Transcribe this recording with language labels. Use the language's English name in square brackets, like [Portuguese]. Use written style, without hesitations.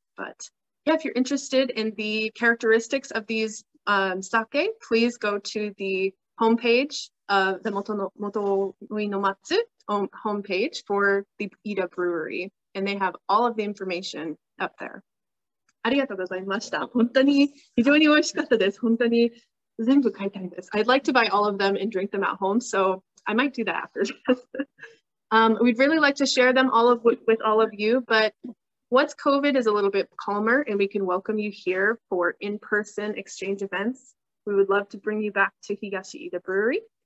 [English] But yeah, if you're interested in the characteristics of these sake, please go to the homepageThe Motoinomatsu homepage for the Iida Brewery, and they have all of the information up there. [Japanese] ありがとうございました。本当に非常に美味しかったです。本当に全部買いたいです。 [English] I'd like to buy all of them and drink them at home, so I might do that after this. We'd really like to share them all of with all of you, but once COVID is a little bit calmer and we can welcome you here for in-person exchange events, we would love to bring you back to Higashi Iida Brewery.